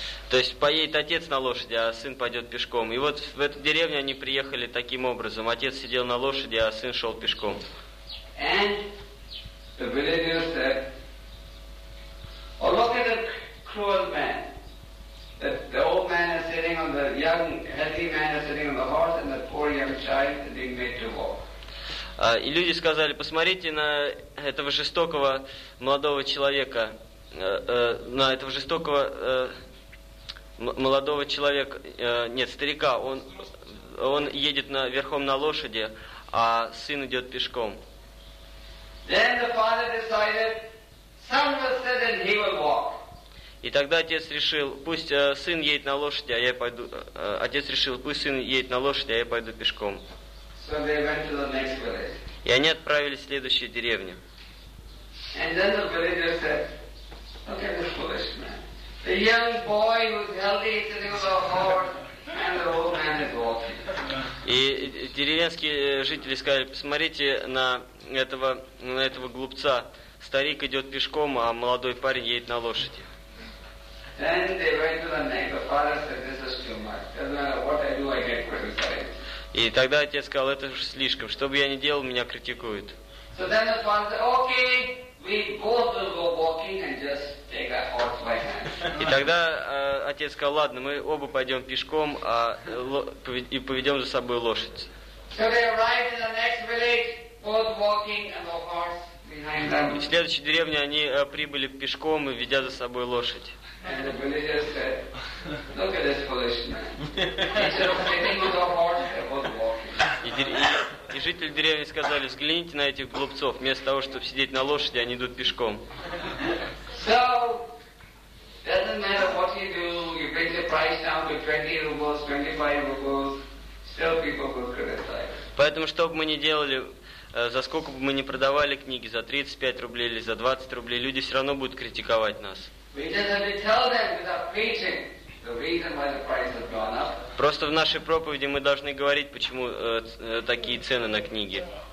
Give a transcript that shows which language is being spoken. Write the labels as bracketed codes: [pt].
[ru] То есть поедет отец на лошади, а сын пойдет пешком. И вот в эту деревню они приехали таким образом. Отец сидел на лошади, а сын шел пешком. [en] And the villagers said, oh, look at the cruel man. The old man is sitting on the young, healthy man is sitting on the horse, and the poor young child is being made to walk. [ru] И люди сказали, посмотрите на этого жестокого молодого человека, на этого жестокого молодого человека, нет, старика, он едет верхом на лошади, а сын идет пешком. [en] Then the father decided, son will sit and he will walk. [ru] И тогда отец решил, пусть сын едет на лошади, а я пойду. Отец решил, пусть сын едет на лошади, а я пойду пешком. [en] So they went to the next village. [ru] И они отправились в следующую деревню. [en] And then the villager said, look at this foolish man. The young boy who's healthy is sitting on the horse, and the old man is walking. [ru] И деревенские жители сказали, посмотрите на этого глупца. Старик идет пешком, а молодой парень едет на лошади. [en] Then they went to the next. The father said, this is too much. Doesn't matter what I do, I get criticized. [ru] И тогда отец сказал, это уж слишком, что бы я ни делал, меня критикуют. [en] So then the father said, okay, we both will go walking and just take a horse by hand. [ru] И тогда отец сказал, ладно, мы оба пойдем пешком и поведем за собой лошадь. [en] So they arrived in the next village, both walking and the horse behind them. [ru] И в следующей деревне они прибыли пешком и ведя за собой лошадь. [en] And the villagers said, look at this foolish man. Instead of sitting on the horse, they're both walking. [ru] И жители деревни сказали, взгляните на этих глупцов. Вместо того, чтобы сидеть на лошади, они идут пешком. [en] So, doesn't matter what you do, you bring the price down to 20 rubles, 25 rubles, still people will criticize. [ru] Поэтому, что бы мы ни делали, за сколько бы мы ни продавали книги, за 35 рублей или за 20 рублей, люди все равно будут критиковать нас. [en] We just have to tell them without preaching the reason why the price has gone up. [ru] Просто в нашей проповеди мы должны говорить, почему такие цены на книги.